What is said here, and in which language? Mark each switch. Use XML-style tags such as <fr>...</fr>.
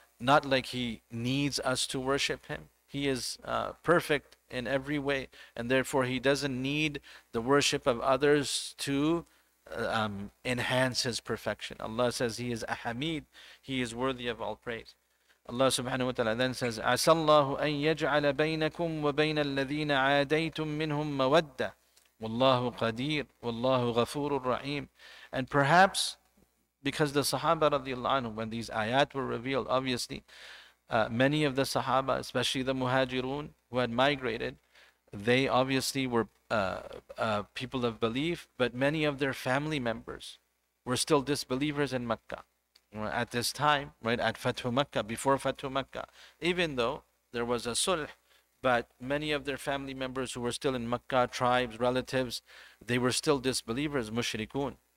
<en>Not like He needs us to worship Him. He is perfect in every way, and therefore He doesn't need the worship of others to enhance His perfection. Allah says He is Ahamid, He is worthy of all praise. Allah subhanahu wa ta'ala then says,</en> <ar>عَسَى اللَّهُ أَن يَجْعَلَ بَيْنَكُمْ وَبَيْنَ الَّذِينَ عَادَيْتُمْ مِنْهُمْ مَوَدَّةً وَاللَّهُ قَدِيرٌ وَاللَّهُ غَفُورٌ رَحِيمٌ.</ar> <en>And perhaps because the Sahaba radiallahu anhu, when these ayat were revealed, obviously, many of the Sahaba, especially the Muhajirun who had migrated, they obviously were people of belief, but many of their family members were still disbelievers in Mecca at this time, right, at Fathu Mecca, before Fathu Mecca, even though there was a sulh, but many of their family members who were still in Mecca, tribes, relatives, they were still disbelievers, mushrikun.</en>